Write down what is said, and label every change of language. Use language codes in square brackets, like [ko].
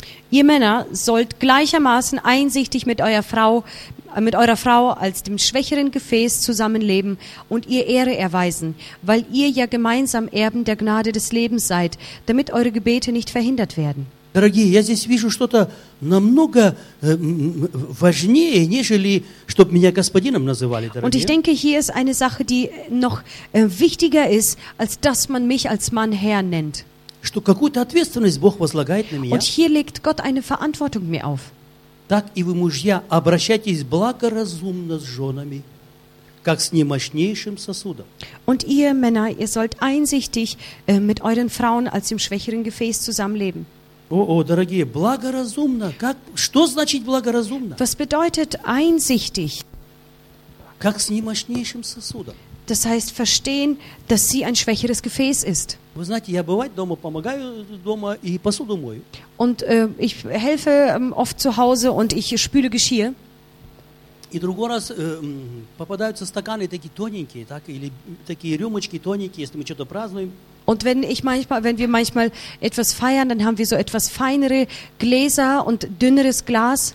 [de] Ihr Männer sollt gleichermaßen einsichtig mit eurer Frau als dem schwächeren Gefäß zusammenleben und ihr Ehre erweisen, weil ihr ja gemeinsam Erben der Gnade des Lebens seid, damit eure Gebete nicht verhindert werden. [ru] Дорогие, я здесь вижу что-то намного важнее, нежели чтобы меня господином называли, дорогие. [de] Und ich denke, hier ist eine Sache, die noch wichtiger ist, als dass man mich als Mann Herr nennt. [ru] Что какую-то ответственность Бог возлагает на меня. [de] Und hier legt Gott eine Verantwortung mir auf. [ru] Так и вы, мужья, обращайтесь благоразумно с женами, как с немощнейшим сосудом. [de] Und ihr Männer, ihr sollt einsichtig mit euren Frauen als dem schwächeren Gefäß zusammenleben. [ru] О, дорогие, благоразумно. Как, что значит благоразумно? [de] Was bedeutet einsichtig? [ru] Как с немощнейшим сосудом. [de] Das heißt, verstehen, dass sie ein schwächeres Gefäß ist. [ru] Вы знаете, я бывает дома, помогаю дома и посуду мою. [de] Und ich helfe oft zu Hause und ich spüle Geschirr. [ru] И другой раз попадаются стаканы такие тоненькие, так, или такие рюмочки тоненькие, если мы что-то празднуем. [de] Und wenn wir manchmal etwas feiern, dann haben wir so etwas feinere Gläser und dünneres Glas.